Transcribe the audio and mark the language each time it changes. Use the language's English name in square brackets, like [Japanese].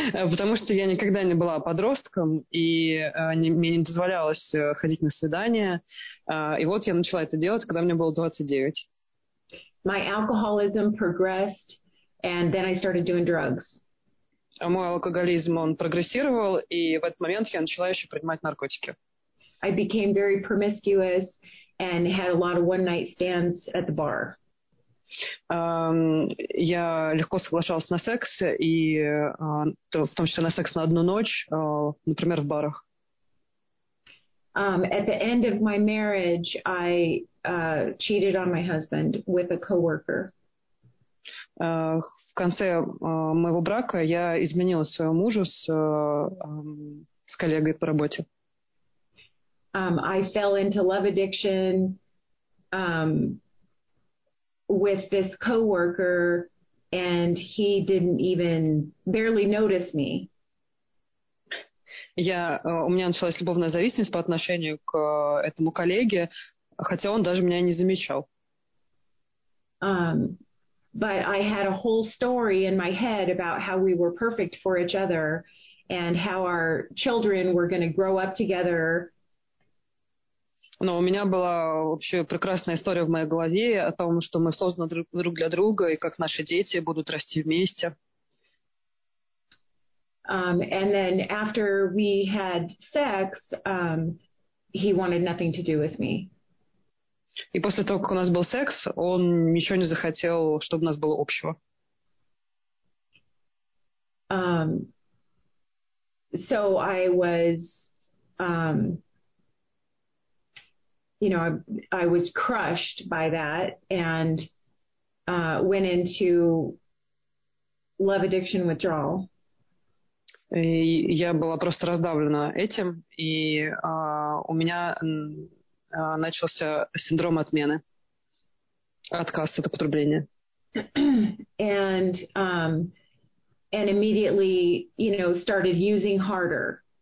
[Russian] Потому что я никогда не была подростком, и мне не дозволялось ходить на свидания. И вот я начала это делать, когда мне было 29. [English] My alcoholism progressed, and then I started doing drugs. [Russian] Мой алкоголизм, он прогрессировал, и в этот момент я начала еще принимать наркотики. [English] I became very promiscuous and had a lot of one-night stands at the bar. [Russian] Я легко соглашалась на секс, и в том числе на секс на одну ночь, например, в барах. [English] At the end of my marriage, I cheated on my husband with a coworker. [Russian] В конце моего брака я изменила своему мужу с коллегой по работе. [English] I fell into love addiction with this coworker, and he didn't even barely notice me. [Russian] У меня началась любовная зависимость по отношению к этому коллеге, хотя он даже меня не замечал. [English] But I had a whole story in my head about how we were perfect for each other and how our children were going to grow up together. [Russian] Но у меня была вообще прекрасная история в моей голове о том, что мы созданы друг для друга и как наши дети будут расти вместе. [English] And then after we had sex, he wanted nothing to do with me. [Russian] И после того, как у нас был секс, он ничего не захотел, чтобы у нас было общего. [English] So I was, you know, I was crushed by that and went into love addiction withdrawal. [Russian] Я была просто раздавлена этим, и у меня начался синдром отмены, отказ от употребления. [English] And immediately, you know, started using harder.